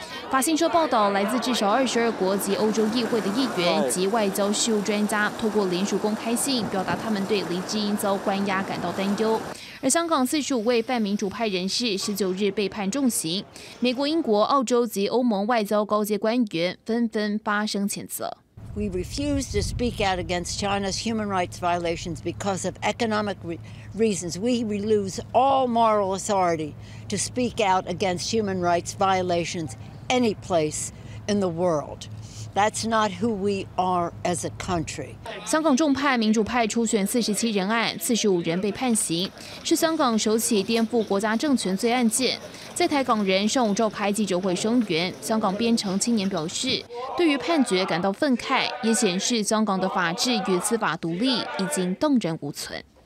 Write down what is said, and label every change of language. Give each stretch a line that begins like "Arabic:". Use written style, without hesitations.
Chinese: 法新社报道，来自至少22国及欧洲议会的议员及外交事务专家，透过联署公开信，表达他们对黎智英遭关押感到担忧。而香港45位泛民主派人士19日被判重刑，美国、英国、澳洲及欧盟外交高阶官员纷纷发声谴责。
English: We refuse to speak out against China's human rights violations because of economic reasons. We lose all moral authority to speak out against human rights violations any place in the world. That's not who we are as a country.
Chinese: 香港众派民主派初选47人案，45人被判刑，是香港首起颠覆国家政权罪案件。在台港人上午召开记者会声援，香港边城青年表示，对于判决感到愤慨，也显示香港的法治与司法独立已经荡然无存。